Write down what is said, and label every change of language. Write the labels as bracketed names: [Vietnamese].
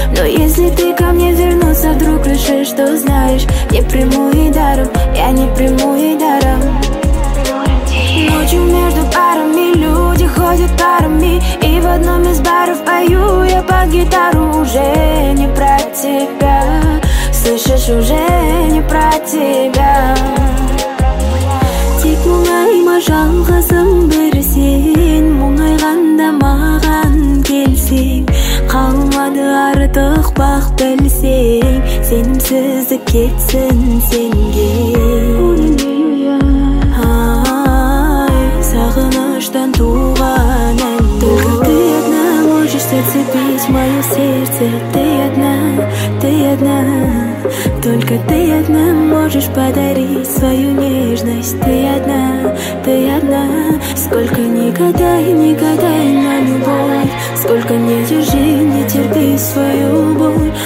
[Russian] Но если ты ко мне вернуться вдруг решишь, что знаешь, не приму и даром, я не приму и даром. Ночью между парами люди ходят парами, и в одном из баров пою я под гитару. Уже не про тебя, слышишь, уже не про тебя. [Kazakh] Тек мұңайма жалғызым бір сен, мұңайғанда маған келсең, қалмады артық бақ білсең, сенімсіздік кетсін сенге. Ай, сағыныштан туған әнді. [Russian] Только ты одна можешь зацепить мое сердце, ты одна, только ты одна можешь подарить свою нежность. Ты одна, сколько ни гадай, ни гадай на любовь, сколько ни держи, не терпи свою боль.